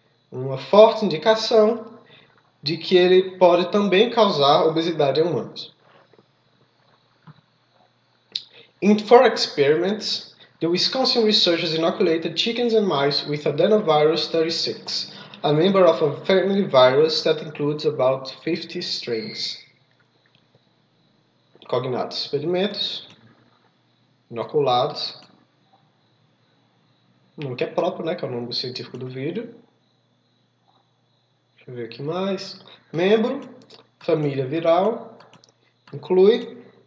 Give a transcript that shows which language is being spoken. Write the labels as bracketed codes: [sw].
[pt] Uma forte indicação de que ele pode também causar obesidade em humanos. [en] In four experiments, the Wisconsin researchers inoculated chickens and mice with adenovirus 36, a member of a family virus that includes about 50 strains. [pt] Cognatos, experimentos, inoculados, o nome que é próprio, né, que é o nome científico do vídeo. Deixa eu ver aqui mais. Membro, família viral, inclui.